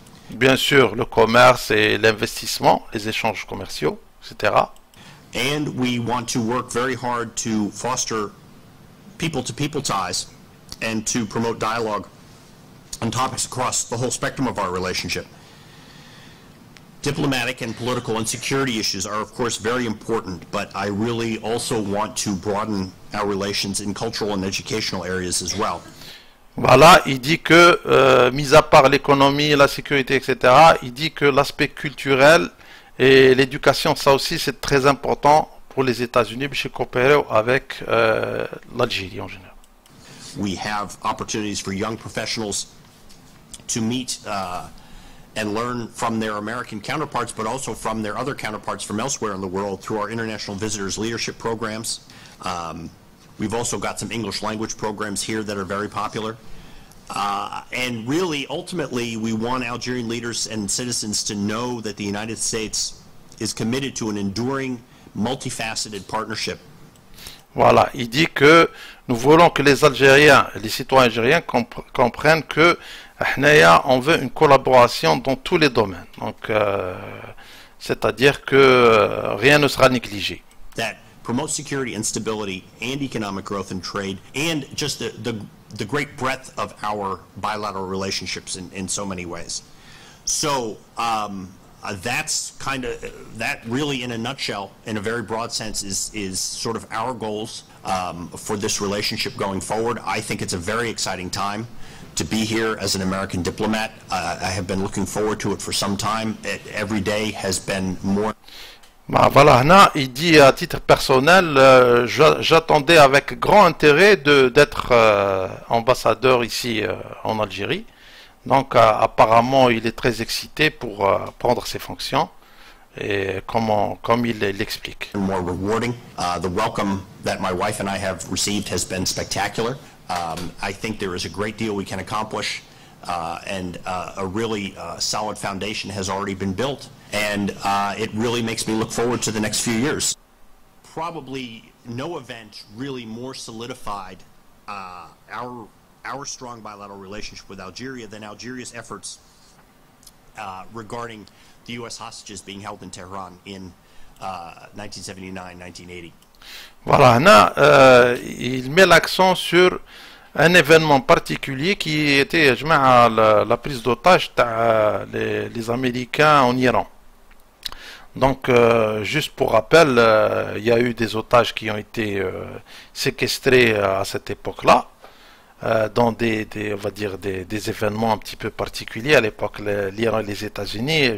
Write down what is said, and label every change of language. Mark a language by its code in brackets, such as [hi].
[fr] Bien sûr, le commerce et l'investissement, les échanges commerciaux, etc. [en] And we want to work very hard to foster people-to-people ties and to promote dialogue on topics across the whole spectrum of our relationship. Diplomatic and political and security issues are, of course, very important, but I really also want to broaden our relations in cultural and educational areas as well. [fr] Voilà, il dit que, mis à part l'économie, la sécurité, etc., il dit que l'aspect culturel et l'éducation, ça aussi, c'est très important pour les États-Unis, pour coopérer avec l'Algérie en général. [en] We have opportunities for young professionals to meet and learn from their American counterparts, but also from their other counterparts from elsewhere in the world through our international visitors leadership programs. We've also got some English language programs here that are very popular. And really, ultimately, we want Algerian leaders and citizens to know that the United States is committed to an enduring, multifaceted partnership. [fr] Voilà, il dit que nous voulons que les Algériens, les citoyens algériens comprennent que Hnaya, on veut une collaboration dans tous les domaines. Donc, c'est-à-dire que rien ne sera négligé. [en] That promote security and stability and economic growth and trade and just the great breadth of our bilateral relationships in so many ways. So that's kind of that really in a nutshell, in a very broad sense, is sort of our goals for this relationship going forward. I think it's a very exciting time to be here as an American diplomat. I have been looking forward to it for some time. Every day has been more. [fr] Bah, voilà, Hna, il dit à titre personnel, j'attendais avec grand intérêt d'être ambassadeur ici en Algérie. Donc apparemment, il est très excité pour prendre ses fonctions, et comme il l'explique. [en] More rewarding. The welcome that my wife and I have received has been spectacular. I think there is a great deal we can accomplish, and a really solid foundation has already been built. And it really makes me look forward to the next few years. Probably no event really more solidified our strong bilateral relationship with Algeria than Algeria's efforts regarding the U.S. hostages being held in Tehran in 1979-1980. [fr] Voilà, Hna, il met l'accent sur un événement particulier qui était la prise d'otage les Américains en Iran. Donc, juste pour rappel, il y a eu des otages qui ont été séquestrés à cette époque-là, dans des événements un petit peu particuliers à l'époque, l'Iran et les États-Unis.